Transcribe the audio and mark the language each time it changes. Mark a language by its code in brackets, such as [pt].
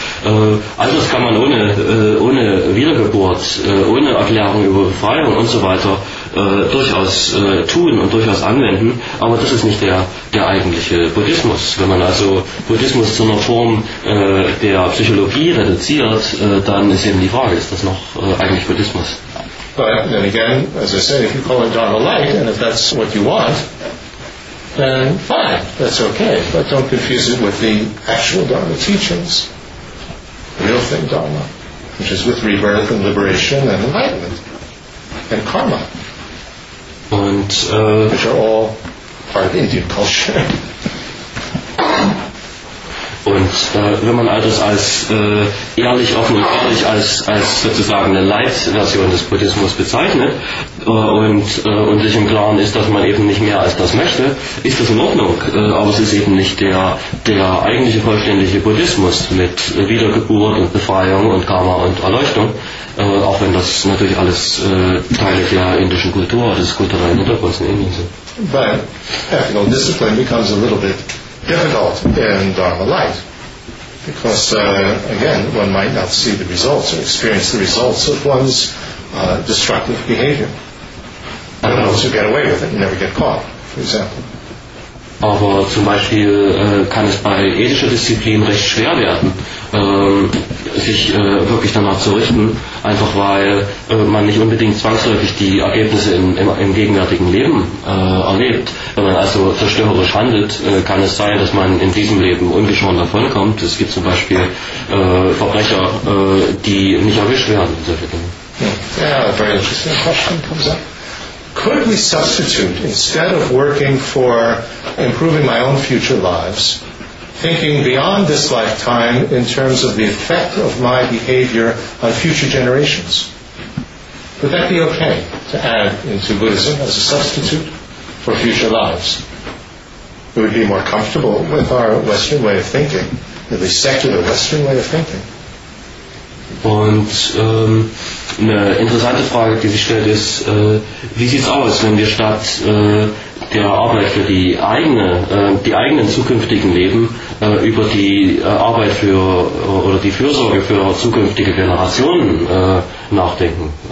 [de] All das kann man ohne Wiedergeburt, ohne Erklärung über Befreiung und so weiter, durchaus tun und durchaus anwenden, aber das ist nicht der eigentliche Buddhismus. Wenn man also Buddhismus zu einer Form der Psychologie reduziert, dann ist eben die Frage, ist das noch eigentlich Buddhismus? [en] But then again, as I say, if you call it Dharma Light, and if that's what you want, then fine, that's okay. But don't confuse it with the actual Dharma teachings, the real thing Dharma, which is with rebirth and liberation and enlightenment and karma. [de] Und [en] which are all part of Indian culture. [de] Und wenn man all das als ehrlich, offen und ehrlich als sozusagen eine Light-Version des Buddhismus bezeichnet und sich im Klaren ist, dass man eben nicht mehr als das möchte, ist das in Ordnung. Aber es ist eben nicht der eigentliche vollständige Buddhismus mit Wiedergeburt und Befreiung und Karma und Erleuchtung, auch wenn das natürlich alles Teile der indischen Kultur, des kulturellen Hintergrunds in Indien sind. [en] But discipline becomes a little bit difficult in Dharma Light, because again, one might not see the results or experience the results of one's destructive behavior. I don't know if you get away with it and never get caught, for example. [de] Aber zum Beispiel kann es bei ethischer Disziplin recht schwer werden, sich wirklich danach zu richten, einfach weil man nicht unbedingt zwangsläufig die Ergebnisse im gegenwärtigen Leben erlebt. Wenn man also zerstörerisch handelt, kann es sein, dass man in diesem Leben ungeschoren davonkommt. Es gibt zum Beispiel Verbrecher, die nicht erwischt werden. [en] Ja, very interesting question comes up. Could we substitute, instead of working for improving my own future lives, thinking beyond this lifetime in terms of the effect of my behavior on future generations? Would that be okay to add into Buddhism as a substitute? for future lives. We would be more comfortable with our Western way of thinking, at least secular Western way of thinking. [de] Und eine interessante Frage, die sich stellt, ist, wie sieht es aus, wenn wir statt der Arbeit für die eigene, die eigenen zukünftigen Leben über die Arbeit für oder die Fürsorge für zukünftige Generationen nachdenken?